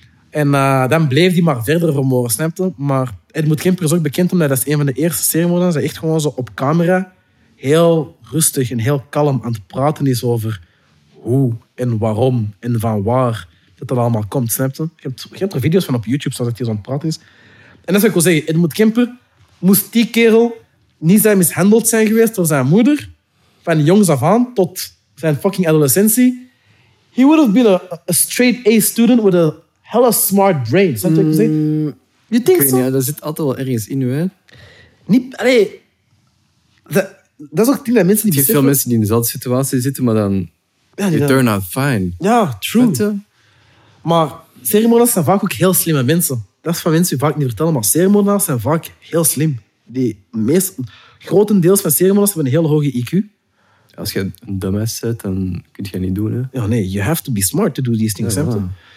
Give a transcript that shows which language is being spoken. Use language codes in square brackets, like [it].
[nl] En dan bleef hij maar verder vermoorden, snap je? Maar Edmund Kemper is ook bekend omdat dat is een van de eerste seriemoordenaars. Hij echt gewoon zo op camera heel rustig en heel kalm aan het praten is over hoe en waarom en van waar dat allemaal komt, snap je? Je hebt er video's van op YouTube zodat hij zo aan het praten is. En dat zou ik wel zeggen, Edmund Kemper moest die kerel niet zijn mishandeld zijn geweest door zijn moeder van jongs af aan tot zijn fucking adolescentie. [en] He would have been a straight A student with a hella smart brain. You think so? [nl] Ja, dat zit altijd wel ergens in, hè? Niet, allee, dat is ook het ding dat mensen niet beseffen. Veel mensen die in dezelfde situatie zitten, maar dan... [en] Ja, you turn out fine. [nl] Ja, true. Met, maar seriemoordenaars zijn vaak ook heel slimme mensen. Dat is van mensen die vaak niet vertellen, maar seriemoordenaars zijn vaak heel slim. Die meest, grotendeels van seriemoordenaars hebben een heel hoge IQ. Als je een dumbass zet, dan kun je dat niet doen, hè? [en] Ja, nee, you have to be smart to do these things, ja, ja.